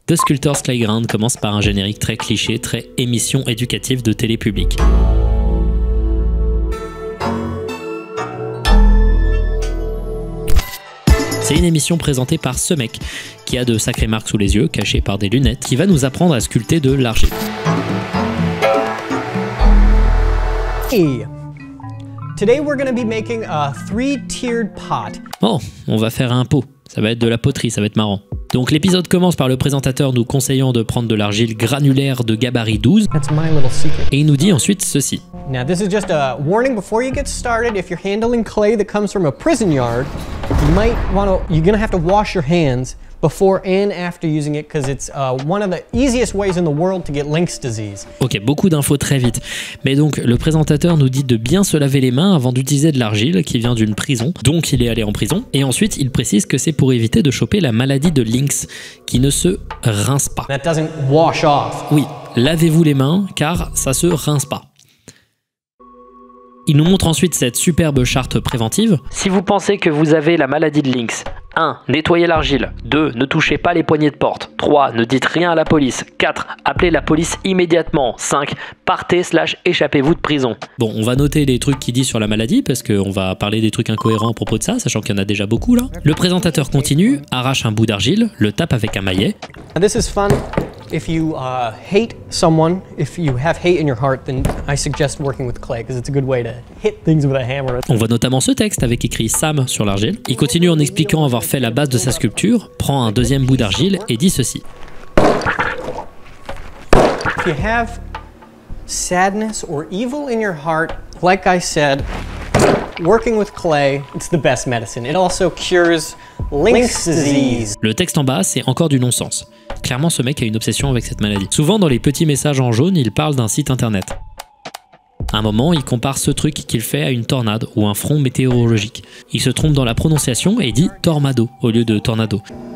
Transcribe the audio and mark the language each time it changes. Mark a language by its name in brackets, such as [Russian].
[French] The Sculptor's Playground commence par un générique très cliché, très émission éducative de télé publique. C'est une émission présentée par ce mec, qui a de sacrées marques sous les yeux, cachées par des lunettes, qui va nous apprendre à sculpter de l'argile. [English] Hey. Today we're gonna be making a three-tiered pot. [French] Oh, on va faire un pot. Ça va être de la poterie, ça va être marrant. Donc l'épisode commence par le présentateur nous conseillant de prendre de l'argile granulaire de gabarit 12. [English] That's my little secret. [French] Et il nous dit ensuite ceci. [English] Now this is just a warning before you get started. If you're handling clay that comes from a prison yard, you're gonna have to wash your hands before and after using it because it's one of the easiest ways in the world to get Lynx disease. [French] Ok, beaucoup d'infos très vite. Mais donc le présentateur nous dit de bien se laver les mains avant d'utiliser de l'argile qui vient d'une prison. Donc il est allé en prison. Et ensuite il précise que c'est pour éviter de choper la maladie de Lynx qui ne se rince pas. [English] That doesn't wash off. [French] Oui, lavez-vous les mains car ça se rince pas. Il nous montre ensuite cette superbe charte préventive. Si vous pensez que vous avez la maladie de Lynx, 1. Nettoyez l'argile. 2. Ne touchez pas les poignées de porte. 3. Ne dites rien à la police. 4. Appelez la police immédiatement. 5. Partez/échappez-vous de prison. Bon, on va noter les trucs qu'il dit sur la maladie, parce qu'on va parler des trucs incohérents à propos de ça, sachant qu'il y en a déjà beaucoup là. Le présentateur continue, arrache un bout d'argile, le tape avec un maillet. [English] And this is fun. If you hate someone, if you have hate in your heart, then I suggest working with clay because it's a good way to hit things with a hammer. [French] On voit notamment ce texte avec écrit Sam sur l'argile. Il continue en expliquant avoir fait la base de sa sculpture, prend un deuxième bout d'argile et dit ceci. [English] If you have sadness or evil in your heart, like I said, working with clay, it's the best medicine. It also cures Lynx disease. [French] Le texte en bas, c'est encore du non-sens. Clairement, ce mec a une obsession avec cette maladie. Souvent, dans les petits messages en jaune, il parle d'un site internet. À un moment, il compare ce truc qu'il fait à une tornade ou un front météorologique. Il se trompe dans la prononciation et dit « tornado » au lieu de « tornado ».